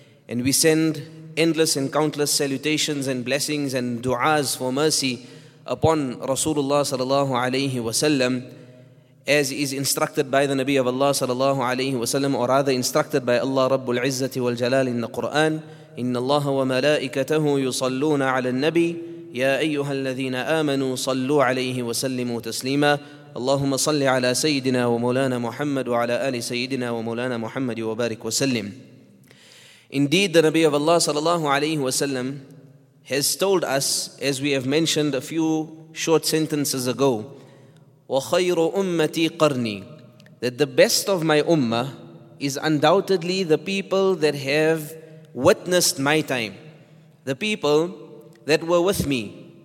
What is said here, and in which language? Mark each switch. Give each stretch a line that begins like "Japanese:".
English: And we send endless and countless salutations and blessings and du'as for mercy upon Rasulullah sallallahu alayhi wa sallam, as is instructed by the Nabi of Allah sallallahu alayhi wa sallam, or rather instructed by Allah Rabbul Izzati wal Jalal in the Quran.
Arabic: إن الله وملائكته يصلون على النبي يا أيها الذين آمنوا صلوا عليه وسلموا تسليما اللهم صل على سيدنا ومولانا محمد وعلى آل سيدنا ومولانا محمد وبارك وسلم.
English: Indeed, the Nabi of Allah sallallahu alayhi wa sallam has told us, as we have mentioned a few short sentences ago,
Arabic: وخير أمتي قرني,
English: that the best of my ummah is undoubtedly the people that have witnessed my time, the people that were with me.